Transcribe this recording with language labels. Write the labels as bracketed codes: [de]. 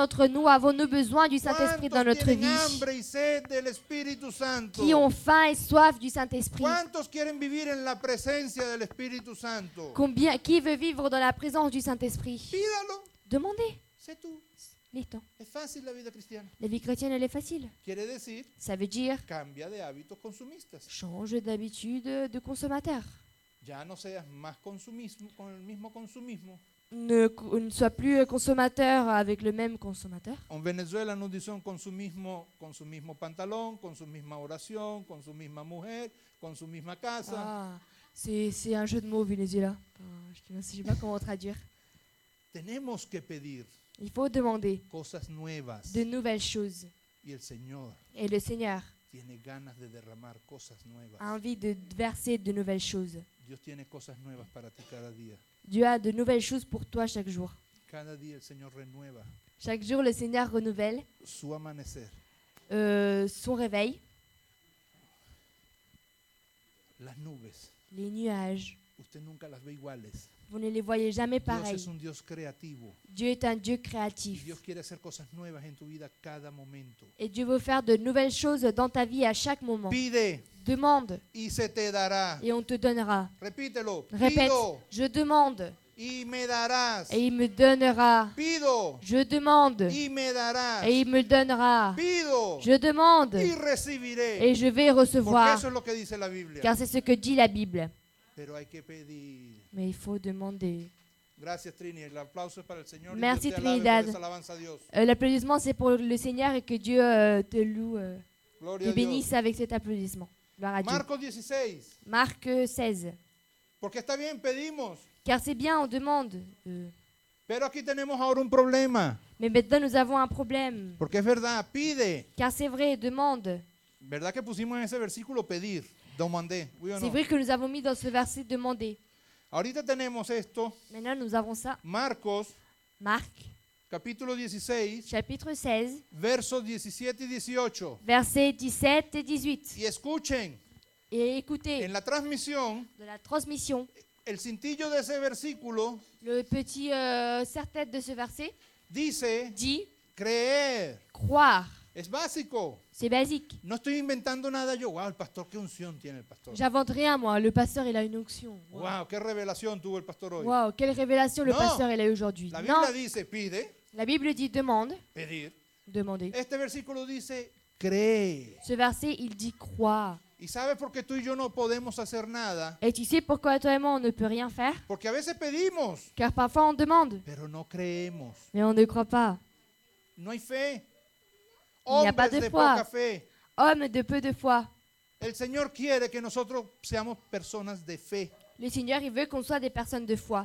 [fr] D'entre nous avons-nous besoin du Saint-Esprit dans notre vie? [es] ¿Cuántos tienen hambre y sed del Espíritu Santo? [fr] Qui ont faim et soif du Saint-Esprit? [es] ¿Cuántos quieren vivir en la presencia del Espíritu Santo? [fr] Combien qui veut vivre dans la présence du Saint-Esprit? [es] Pídalo. [fr] Demandez. C'est tout. [es] Listo. Es fácil la vida cristiana. [fr] La vie chrétienne, elle est facile. [es] Quiere decir, [fr] ça veut dire [es] cambia de hábitos consumistas. [fr] Change d'habitude de consommateur. [es] Ya no seas más consumismo, con el mismo consumismo. [fr] Ne sois plus consommateur avec le même consommateur. En Venezuela, nous disons [es] consumismo, con su mismo pantalón, con su misma oración, con su misma mujer, con su misma casa. [fr] Ah, c'est un jeu de mots, Venezuela. Je ne sais pas comment traduire. [es] Tenemos que pedir [fr] il faut demander [es] cosas nuevas. [fr] De nouvelles choses. [es] Y el Señor [fr] et le Seigneur [es] tiene ganas de derramar cosas nuevas. [fr] A envie de verser de nouvelles choses. [es] Dios tiene cosas nuevas para ti cada día. [fr] Dieu a de nouvelles choses pour toi chaque jour. [es] Cada día el Señor renueva [fr] chaque jour, le Seigneur renouvelle [es] su amanecer. [fr] Son réveil. [es] Las nubes. [fr] Les nuages. [es] Usted nunca las ve iguales. [fr] Vous ne les voyez jamais pareils. [es] Dios es [fr] Dieu est un Dieu créatif. [es] Dios quiere hacer cosas nuevas en tu vida cada momento. [fr] Et Dieu veut faire de nouvelles choses dans ta vie à chaque moment. [es] Pide. [fr] Demande. [es] Y se te dará. [fr] Et on te donnera. [es] Repítelo. [fr] Répète. [es] Pido. [fr] Je demande. [es] Y me darás. [fr] Et il me donnera. [es] Pido. [fr] Je demande. [es] Y me darás. [fr] Et il me donnera. [es] Pido. [fr] Je demande. [es] Y recibiré. [fr] Et je vais recevoir. [es] Porque eso es lo que dice la Biblia. [fr] Car c'est ce que dit la Bible. [es] Pero hay que pedir. [fr] Mais il faut demander. [es] Gracias, Trini. El aplauso es para el Señor. [fr] Merci, [es] y [fr] Trinidad. L'applaudissement, c'est pour le Seigneur et que Dieu te loue, [es] Gloria [fr] te bénisse avec cet applaudissement. Gloire à Dieu. [es] Marco 16. [fr] Marc 16. [es] Porque está bien, pedimos. [fr] Car c'est bien, on demande. [es] Pero aquí tenemos ahora un problema. [fr] Mais maintenant, nous avons un problème. [es] Porque es verdad, pide. [fr] Car c'est vrai, demande. [es] ¿Verdad que pusimos en ese versículo pedir, [fr] demander, oui ou non? C'est vrai que nous avons mis dans ce verset demander. [es] Ahorita tenemos esto. [fr] Maintenant, nous avons ça. [es] Marcos. [fr] Marc. [es] Capítulo 16. [fr] Chapitre 16. [es] Versos 17 y 18. [fr] Versets 17 et 18. [es] Y escuchen. [fr] Et écoutez. [es] En la transmisión. [fr] De la transmission. [es] El cintillo de ese versículo. [fr] Le petit serre-tête de ce verset. [es] Dice. [fr] Dit. [es] Creer. [fr] Croire. [es] Es básico. [fr] C'est basique. [es] No estoy inventando nada yo. Wow, el pastor, qué unción tiene el pastor. [fr] J'invente rien moi. Le pasteur, il a une onction. [es] Wow, wow, [fr] quelle révélation [es] tuvo el pastor hoy. [fr] Wow, quelle révélation le [es] no. [fr] pasteur il a eu aujourd'hui. [es] La Biblia dice, pide. [fr] La Bible dit demande. [es] Pedir. [fr] Demander. [es] Este versículo dice, cree. [fr] Ce verset, il dit croire. [es] ¿Y sabes por qué tú y yo no podemos hacer nada? [fr] Et tu sais pourquoi toi et moi on ne peut rien faire? [es] Porque a veces pedimos. [fr] Car parfois on demande. [es] Pero no creemos. [fr] Mais on ne croit pas. [es] No hay fe. [fr] Il n'y a pas de foi. Homme de peu de foi. [es] El Señor quiere que nosotros seamos personas de fe. [fr] Le Seigneur il veut qu'on soit des personnes de foi.